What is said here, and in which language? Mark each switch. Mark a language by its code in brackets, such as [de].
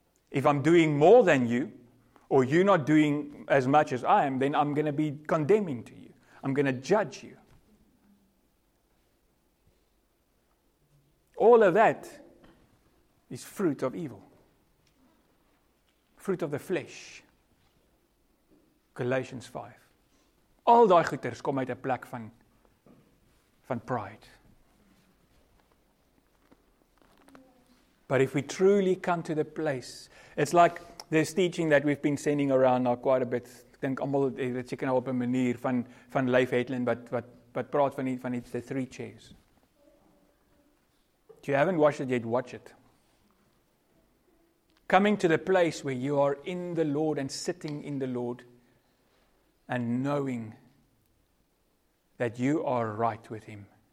[en] If I'm doing more than you, or you're not doing as much as I am, then I'm going to be condemning to you. I'm going to judge you. All of that is fruit of evil. Fruit of the flesh. Galatians 5. [af] Al die goeders kom uit 'n plek van pride. [en] But if we truly come to the place, it's like this teaching that we've been sending around now quite a bit. [af] Ek dink almal het seker nou op 'n manier van Leif Hedlund wat praat van die [en] the three chairs. If you haven't watched it yet, watch it. Coming to the place where you are in the Lord and sitting in the Lord and knowing that you are right with Him.